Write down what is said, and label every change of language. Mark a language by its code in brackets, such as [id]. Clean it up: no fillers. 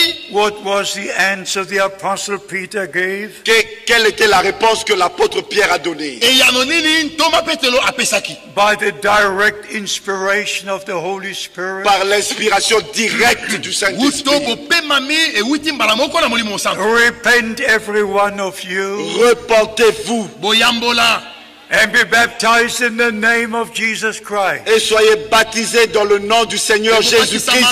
[en] What was the answer the apostle Peter gave? [fr] Quelle était la réponse que l'apôtre Pierre a donnée? [en] By the direct inspiration of the Holy Spirit. [fr] Par l'inspiration directe du Saint-Esprit. [en] Repent every one of you. [fr] Repentez-vous. [ln] Boyambola. [en] And be baptized in the name of Jesus Christ. [fr] Et soyez baptisés dans le nom du Seigneur Jésus-Christ.